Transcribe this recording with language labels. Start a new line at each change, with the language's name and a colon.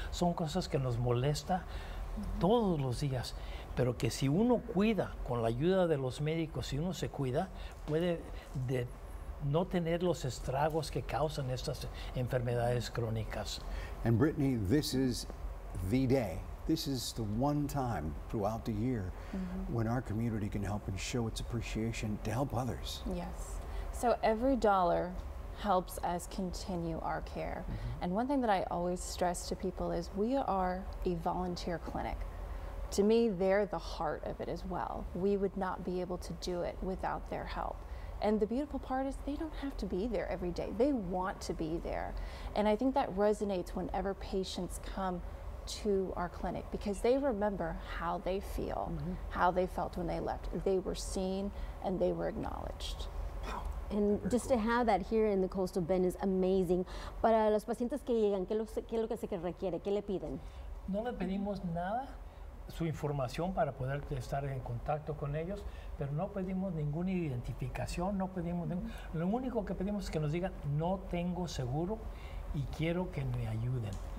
Spanish: Son cosas que nos molesta todos los días, pero que si uno cuida con la ayuda de los médicos, si uno se cuida, puede no tener los estragos que causan estas enfermedades crónicas.
English: And Brittany, this is the day. This is the one time throughout the year when our community can help and show its appreciation to help others. Yes. So every dollar helps us continue our care. Mm-hmm. And one thing that I always stress to people is we are a volunteer clinic. To me, they're the heart of it as well. We would not be able to do it without their help. And the beautiful part is they don't have to be there every day. They want to be there. And I think that resonates whenever patients come to our clinic, because they remember how they feel, how they felt when they left. They were seen and they were acknowledged. And just to have that here in the Coastal Bend is amazing.
Spanish: Para los pacientes que llegan, ¿qué es lo que se requiere? ¿Qué le piden? No le pedimos nada, su información para poder estar en contacto con ellos, pero no pedimos ninguna identificación, no pedimos lo único que pedimos es que nos digan, no tengo seguro y quiero que me ayuden.